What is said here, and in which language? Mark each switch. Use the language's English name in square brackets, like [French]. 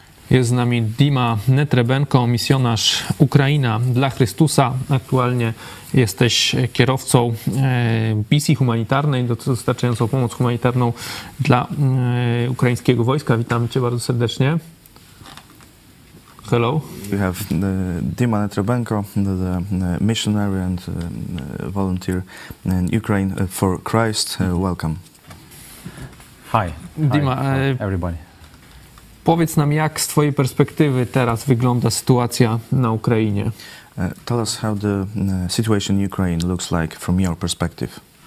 [Polish] Jest z nami Dima Netrebenko, misjonarz Ukraina dla Chrystusa. Aktualnie jesteś kierowcą misji humanitarnej, dostarczającą pomoc humanitarną dla ukraińskiego wojska. Witamy cię bardzo serdecznie. [English] Hello. We have Dima Netrebenko, the missionary and volunteer in Ukraine for Christ. Welcome. Hi. Dima, hi, everybody. [Polish] Powiedz nam, jak z twojej perspektywy teraz wygląda sytuacja na Ukrainie? [English] Tell us how the situation in Ukraine looks like from your perspective.